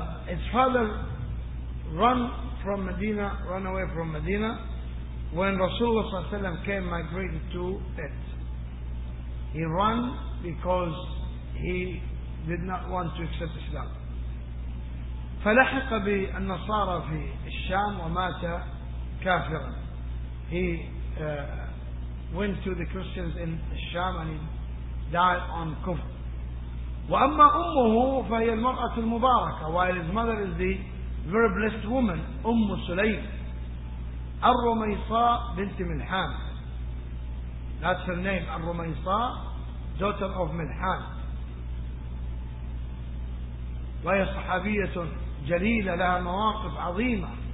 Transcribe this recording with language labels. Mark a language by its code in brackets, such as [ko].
[en] His father ran away from Medina. When Rasulullah صلى الله عليه وسلم came migrated to it, he ran because he did not want to accept Islam. [ar] فلحق بالنصارى في الشام ومات كافرا. [en] He went to the Christians in الشام and he died on kufr. [ar] وأما أمه فهي المرأة المباركة. [en] While his mother is the very blessed woman, أم سليم. [ar] الرميصاء بنت ملحان. [en] That's her name, الرميصاء, daughter of ملحان. [ar] وهي صحابية جليلة لها مواقف عظيمة.